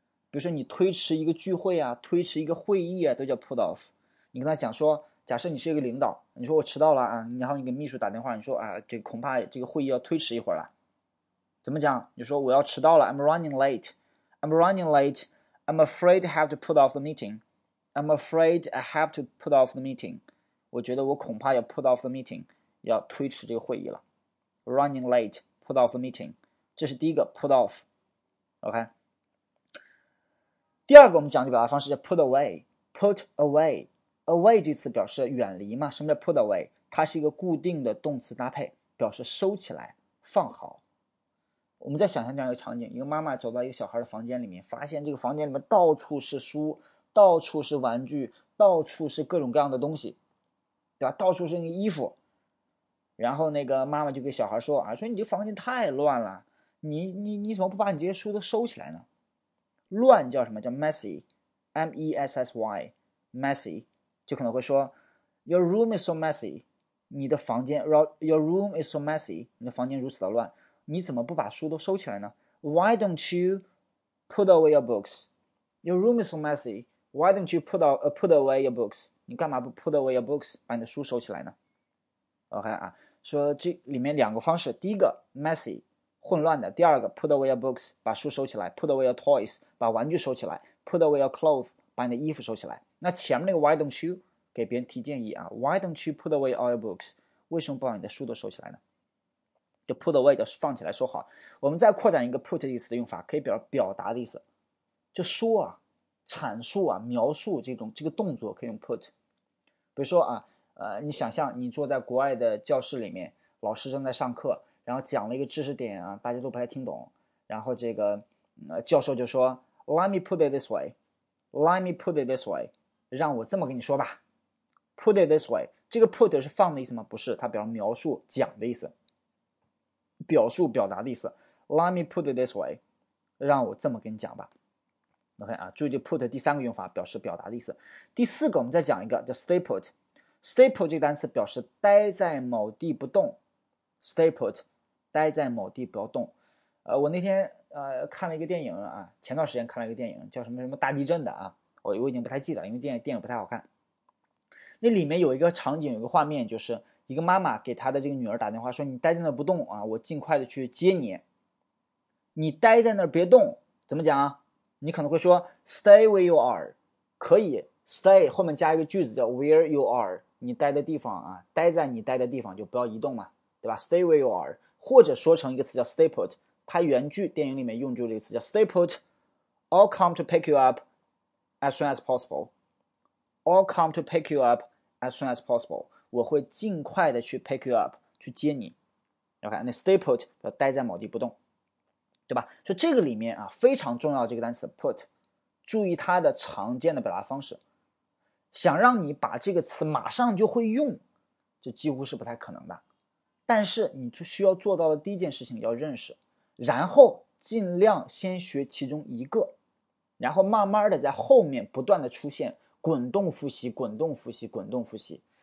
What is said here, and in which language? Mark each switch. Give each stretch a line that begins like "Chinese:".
Chinese: 比如说你推迟一个聚会啊，推迟一个会议啊，都叫 put off。你跟他讲说，假设你是一个领导，你说我迟到了啊，然后你给秘书打电话，你说啊，这恐怕这个会议要推迟一会儿了。怎么讲？你说我要迟到了，
English: I'm running late. I'm running late. I'm afraid I have to put off the meeting. I'm afraid I have to put off the meeting.
Chinese: 我觉得我恐怕要
English: put off the meeting，
Chinese: 要推迟这个会议了。
English: Running late, put off the meeting.
Chinese: 这是第一个 put off。 OK。第二个我们讲的表达方式叫 put away。Put away, away 这词表示远离嘛？什么叫 put away？它是一个固定的动词搭配，表示收起来、放好。我们再想象这样一个场景：一个妈妈走到一个小孩的房间里面，发现这个房间里面到处是书，到处是玩具，到处是各种各样的东西，对吧？到处是那个衣服。然后那个妈妈就给小孩说：“啊，说你这房间太乱了，你怎么不把你这些书都收起来呢？” 乱叫什么？叫
English: messy，messy，messy，
Chinese: 就可能会说：“
English: Your room is so messy，你的房间，your room is so messy，
Chinese: 你的房间如此的乱。” 你怎么不把书都收起来呢？
English: Why don't you put away your books? Your room is so messy. Why don't you put away your books？
Chinese: 你干嘛不
English: put away your books，
Chinese: 把你的书收起来呢？OK 啊，说这里面两个方式，第一个 messy 混乱的，第二个 put away your books 把书收起来，put away your toys 把玩具收起来，put away your clothes 把你的衣服收起来。那前面那个
English: why don't you
Chinese: 给别人提建议啊？
English: Why don't you put away all your books？
Chinese: 为什么不把你的书都收起来呢？就 put away 就放起来收好。我们再扩展一个 put 的意思的用法，可以表达的意思，就说啊。阐述啊，描述这个动作可以用 put。比如说啊，你想象你坐在国外的教室里面，老师正在上课，然后讲了一个知识点啊，大家都不太听懂，然后这个教授就说
English: "Let me put it this way，
Chinese: Let me put it this way，让我这么跟你说吧，put it this way。这个 put 是放的意思吗？不是，它表示描述、讲的意思，表述、表达的意思。
English: Let me put it this way，
Chinese: 让我这么跟你讲吧。 OK 啊，注意就 put 第三个用法表示表达的意思。第四个，我们再讲一个叫 stay put。 stay put 这个单词表示待在某地不动，stay put，待在某地不要动。我那天看了一个电影啊，前段时间看了一个电影叫什么什么大地震的啊，我已经不太记得，因为电影不太好看。那里面有一个场景，有一个画面，就是一个妈妈给她的这个女儿打电话说：“你待在那不动啊，我尽快的去接你。你待在那别动，怎么讲啊？” 你可能会说
English: "Stay where you are"，
Chinese: 可以 "Stay" 后面加一个句子叫 "Where you are"，你待的地方啊，待在你待的地方就不要移动嘛，对吧？"Stay where you are"，或者说成一个词叫 "Stay put"，它原句电影里面用就这个词叫 "Stay put"，
English: "I'll come to pick you up as soon as possible"，"
Chinese: I'll come to pick you up as soon as possible"，我会尽快的去 pick you up 去接你。 OK，那 "Stay put" 要待在某地不动。对吧？所以这个里面啊，非常重要这个单词 put，注意它的常见的表达方式。想让你把这个词马上就会用，这几乎是不太可能的。但是你就需要做到的第一件事情要认识，然后尽量先学其中一个，然后慢慢的在后面不断的出现，滚动复习，滚动复习，滚动复习。